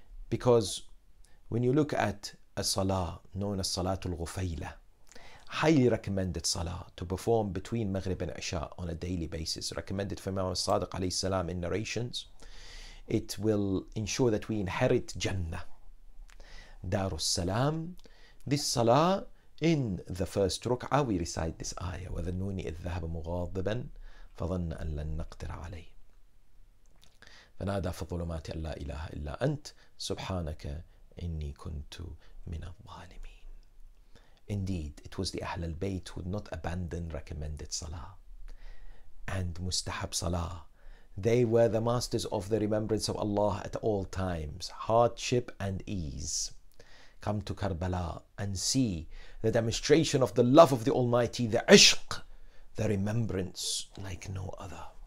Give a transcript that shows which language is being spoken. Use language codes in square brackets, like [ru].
[en] Because when you look at a salah known as Salatul Ghufayla, highly recommended salah to perform between Maghrib and Isha on a daily basis, recommended from Imam Sadiq alayhi salam in narrations, it will ensure that we inherit Jannah, Darus Salam. This salah, in the first ruk'ah, we recite this ayah, [ar] وَذَنُّونِ إِذْ ذَهَبَ مُغَاضِبًا فَظَنَّ أَنْ لَنْ نَقْدِرَ عَلَيْهِ فَنَادَى فِي الظُّلُمَاتِ أَنْ لَا إِلَهَ إِلَّا أَنْتَ سُبْحَانَكَ إِنِّي كُنْتُ مِنَ الظَّالِمِينَ. [en] Indeed, it was the Ahlul Bayt who would not abandon recommended salah and mustahab salah. They were the masters of the remembrance of Allah at all times, hardship and ease. Come to Karbala and see the demonstration of the love of the Almighty, the ishq, the remembrance like no other.